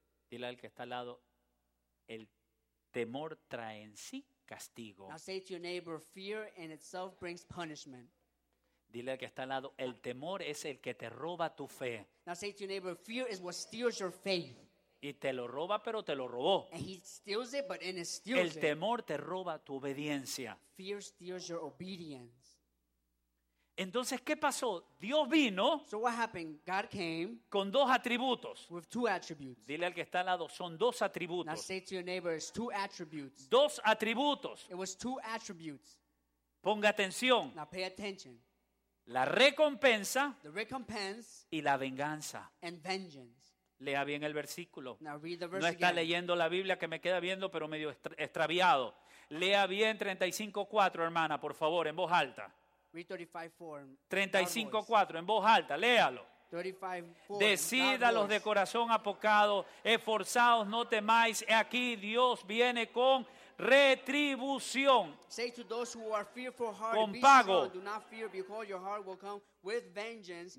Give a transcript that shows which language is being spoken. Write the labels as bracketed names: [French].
[Spanish] Dile al que está al lado, el temor trae en sí castigo. [English] Now say to your neighbor, fear in itself brings punishment. [Spanish] Dile al que está al lado, el temor es el que te roba tu fe. [English] Now say to your neighbor, fear is what steals your faith. [Spanish] Y te lo roba, pero te lo robó. [English] And he steals it, but it steals [Spanish] el temor te roba tu obediencia. [English] Fear steals your obedience. [Spanish] Entonces, ¿qué pasó? Dios vino, [English] so what happened? God came [Spanish] con dos atributos. [English] With two attributes. [Spanish] Dile al que está al lado, son dos atributos. [English] Now say to your neighbor, it's two attributes. [Spanish] Dos atributos. [English] It was two attributes. [Spanish] Ponga atención. [English] Now pay attention. [Spanish] La recompensa, [English] the recompense, [Spanish] y la venganza. [English] And vengeance. [Spanish] Lea bien el versículo. [English] Now read the verse [Spanish] no está [English] again. [Spanish] Leyendo la Biblia que me queda viendo, pero medio extraviado. Lea bien 35:4, hermana, por favor, en voz alta. 35:4 en voz alta, léalo. 35:4 Decid a los de corazón apocado, esforzaos, no temáis, he aquí Dios viene con retribución. [English] Say to those who are fearful hearted, [Spanish] con pago. [English] Do not fear, behold your heart will come with vengeance.